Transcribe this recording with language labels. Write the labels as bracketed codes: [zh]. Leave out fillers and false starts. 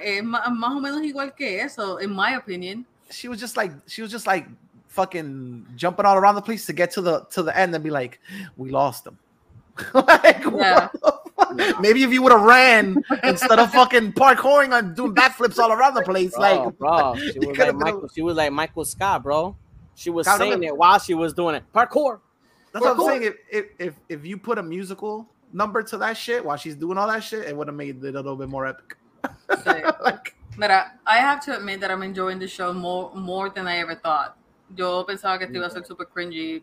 [es] Es más o menos igual que eso, [en] in my opinion. She was just like fucking jumping all around the place to get to the end and be like, we lost them. Like, yeah. What the fuck? Yeah. Maybe if you would have ran instead of fucking parkouring and doing backflips all around the place, bro, like, bro, she was like Michael Scott, bro. She was saying it while she was doing it. Parkour. That's what I'm saying. If you put a musical number to that shit while she's doing all that shit, it would have made it a little bit more epic. Like, mira, I have to admit that I'm enjoying the show more than I ever thought. [es] Yo pensaba que esto iba a ser super cringy.